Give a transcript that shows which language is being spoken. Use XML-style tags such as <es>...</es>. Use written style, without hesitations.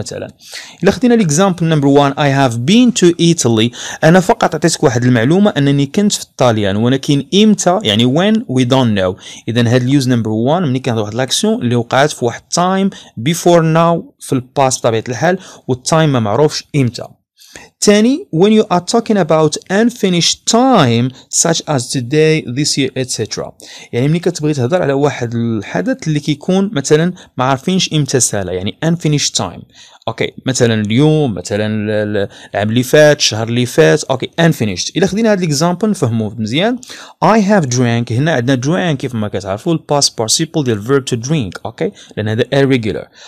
<ar>مثلا الا خدينا ليكزامبل نمبر 1</ar> <en>I have been to Italy</en> <ar>انا فقط عطيتك واحد المعلومة انني كنت في الطاليان ولكن امتى يعني</ar> <en>When we don't know.</en> <ar>اذا هاد اليوز نمبر 1 ملي كنهضروا واحد لاكسيون اللي وقعت في واحد تايم بيفور ناو في الباس بطبيعة الحال والتايم ما معروفش امتى.</ar> <en>Tani, when you are talking about unfinished time, such as today, this year, etc.</en> <ar>يعني ملي كتبغي تهضر على واحد الحدث اللي كيكون مثلا ما عارفينش امتى سالة يعني unfinished time. اوكي مثلا اليوم مثلا العام اللي فات الشهر اللي فات اوكي unfinished. الى خدينا هاد الاكزامبل نفهموه مزيان</ar> <en>I have drank</en> <ar>هنا عندنا drank كيف ما كتعرفوا الباست بارتيسيبل ديال الفيرب تو درينك اوكي لان هذا irregular.</ar>